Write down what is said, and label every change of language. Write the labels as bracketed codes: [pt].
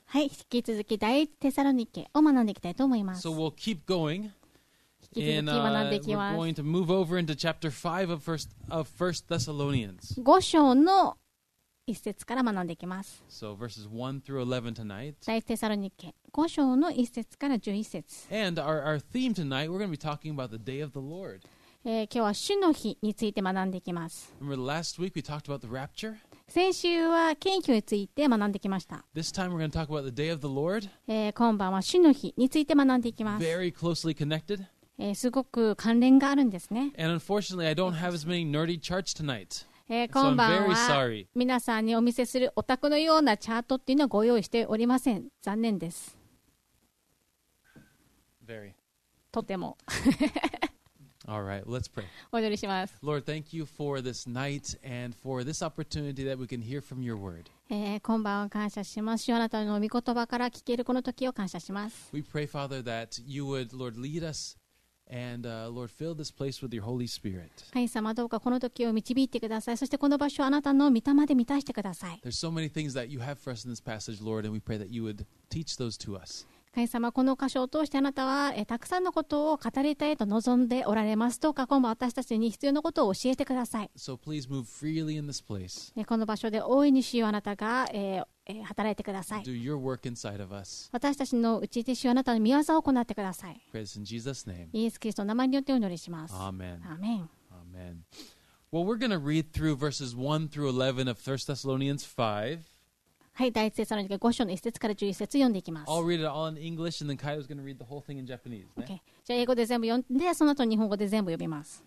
[ja] はい、引き続き第一テサロニケを学んでいきたいと思います。 [en] So we'll keep going. [ja] 引き続き学んでいきます。 [en] And we're going to move over into chapter 5 of 1 Thessalonians. [ja] 5章の一節から学んでいきます。 [en] So verses 1 through 11 tonight. [ja] 第一テサロニケ、5章の一節から11節。 [en] And our theme tonight, we're going to be talking about the day of the Lord. [ja] 今日は主の日について学んでいきます。 [en] Remember last week we talked about the rapture? [ja] 先週は謙虚について学んできました。今晩は主の日について学んでいきます。 [en] Very closely connected. [ja] すごく関連があるんですね。 [en] And unfortunately, I don't have as many nerdy charts tonight. [ja] 今晩は皆さんにお見せするオタクのようなチャートっていうのをご用意しておりません。残念です。 [en] Very. [ja] とても。 [en] All right, let's pray. [ja] お祈りします。 [en] Lord, thank you for this night and for this opportunity that we can hear from your word. [ja] 今晩は感謝します。主あなたの御言葉から聞けるこの時を感謝します。 [en] We pray, Father, that you would, Lord, lead us and, Lord, fill this place with your Holy Spirit. [ja] 神様どうかこの時を導いてください。そしてこの場所をあなたの御霊で満たしてください。 [en] There's so many things that you have for us in this passage, Lord, and we pray that you would teach those to us. [ja] 神様この箇所を通してあなたはたくさんのことを語りたいと望んでおられますどうか今晩私たちに必要なことを教えてください、 [en] so、please move freely in this place. [ja] この場所で大いに主よあなたが、働いてください [en] Do your work inside of us. [ja] 私たちのうちで主よあなたの御業を行ってください [en] Pray this in Jesus' name. [ja] イエス・キリストの名前によってお祈りしますアーメン、アーメン、アーメン。 [en] Well, we're going to read through verses 1 through 11 of 1 Thessalonians 5 [ja] はい、第一節の5章の1節から11節読んでいきます。 [en] I'll read it all in English and then Kaido's going to read the whole thing in Japanese.、 Okay. [ja] じゃあ英語で全部読んで、その後日本語で全部読みます。